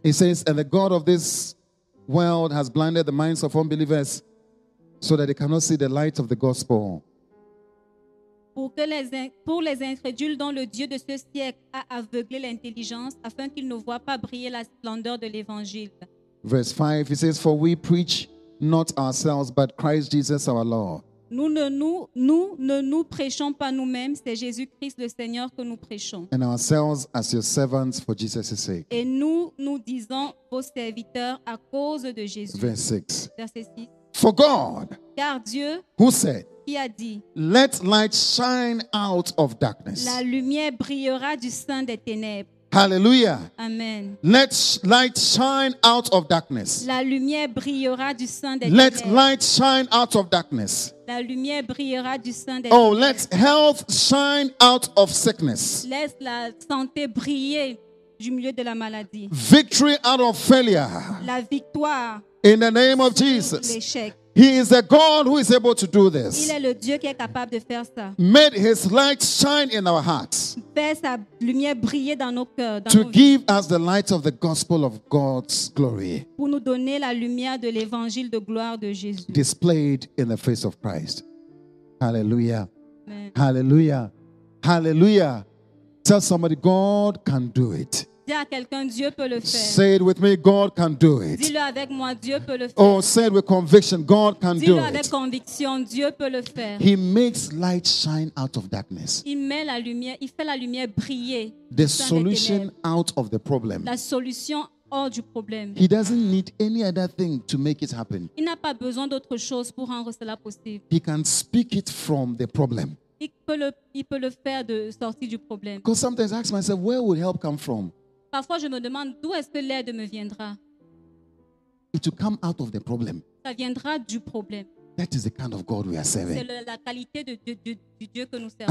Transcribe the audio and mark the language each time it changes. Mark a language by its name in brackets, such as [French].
[English] It says, and the God of this world has blinded the minds of unbelievers so that they cannot see the light of the gospel. [French] Pour les incrédules dont le Dieu de ce siècle a aveuglé l'intelligence afin qu'ils ne voient pas briller la splendeur de l'évangile. [English] Verse 5, it says, for we preach not ourselves, but Christ Jesus our Lord. [French] Nous ne nous prêchons pas nous-mêmes, c'est Jésus-Christ le Seigneur que nous prêchons. [English] And ourselves as your servants for Jesus' sake. [French] Et nous disons vos serviteurs à cause de Jésus. Verset 6. [English] For God, [French] car Dieu, [English] who said, [French] qui a dit, [English] let light shine out of darkness. [French] La lumière brillera du sein des ténèbres. [English] Hallelujah. Amen. Let light shine out of darkness. [French] La lumière brillera du sein des [English] Let ténèbres. Light shine out of darkness. [French] La lumière brillera du sein des Oh, ténèbres. [English] Let health shine out of sickness. [French] Laisse la santé briller du milieu de la maladie. [English] Victory out of failure. [French] La victoire. [English] In the name of Jesus. [French] L'échec. [English] He is a God who is able to do this. [French] Il est le Dieu qui est capable de faire ça. [English] Made his light shine in our hearts. [French] Fait sa lumière briller dans nos cœurs, dans [English] to [French] nos [English] give [French] vies. [English] Us the light of the gospel of God's glory. [French] Pour nous donner la lumière de l'évangile de gloire de Jésus. [English] Displayed in the face of Christ. Hallelujah. Amen. Hallelujah. Hallelujah. Tell somebody, God can do it. [French] Dis à quelqu'un, Dieu peut le faire. [English] Say it with me, God can do it. [French] Dis-le avec moi, Dieu peut le faire. [English] Oh, say it with conviction, God can [French] Dis-le [English] do it. [French] Dis-le avec conviction, Dieu peut le faire. [English] He makes light shine out of darkness. [French] Il met la lumière, il fait la lumière briller. [English] The solution out of the problem. [French] La solution hors du problème. [English] He doesn't need any other thing to make it happen. [French] Il n'a pas besoin d'autre chose pour rendre cela possible. [English] He can speak it from the problem. [French] Il peut le faire de sortir du problème. [English] Because sometimes I ask myself, where would help come from? [French] Parfois, je me demande d'où est-ce que l'aide me viendra. [English] It will come out of the problem. [French] Ça viendra du problème. [English] That is the kind of God we are serving. [French] C'est la qualité du Dieu que nous servons.